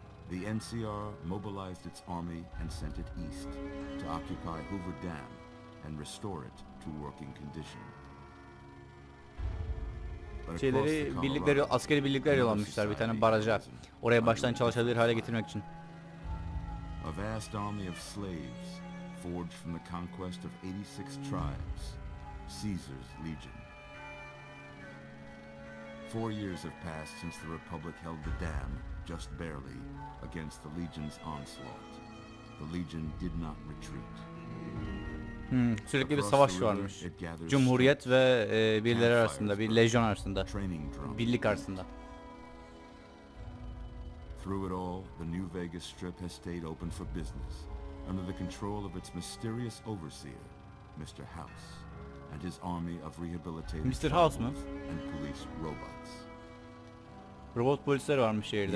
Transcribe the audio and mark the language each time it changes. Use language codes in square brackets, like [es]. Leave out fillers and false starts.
[en] The NCR mobilized its army and sent it east to occupy Hoover Dam and restore it to working condition. [tr] Şeyleri, birlikleri, askeri birlikler yollamışlar bir tane baraja. Oraya baştan çalışabilir hale getirmek için. [en] A vast army of slaves forged from the conquest of 86 tribes, Caesar's Legion. 4 years have passed since the Republic held the dam just barely against the Legion's onslaught. The Legion did not retreat. [tr] Sürekli bir savaş varmış. Cumhuriyet ve birileri arasında, bir lejyon arasında, birlik arasında. [en] Through it all, the New Vegas Strip has stayed open for business under the control of its mysterious overseer, Mr. House, and his army of rehabilitated [tr] Mr. House mı? [en] And police robots. [tr] Robot polisler varmış şehirde.